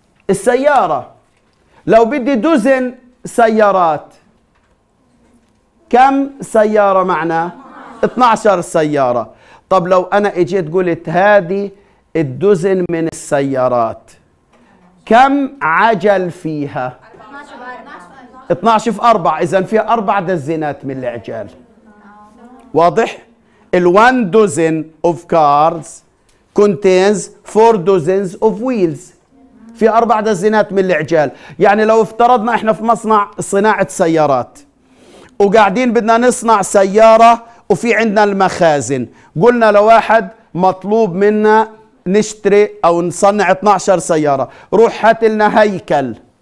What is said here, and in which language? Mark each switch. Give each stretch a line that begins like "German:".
Arabic: السيارة لو بدي دوزن سيارات كم سيارة معناه؟ 12 سيارة. طب لو أنا إجيت قلت هذه الدوزن من السيارات كم عجل فيها؟ 12 في 4، إذا فيها 4 دزينات من العجال. واضح؟
English: الـ 1 dozen of cars contains 4 dozens of wheels.
Arabic: في 4 دزينات من العجال، يعني لو افترضنا احنا في مصنع صناعة سيارات وقاعدين بدنا نصنع سيارة وفي عندنا المخازن، قلنا لواحد مطلوب منا نشتري أو نصنع 12 سيارة، روح هات لنا هيكل.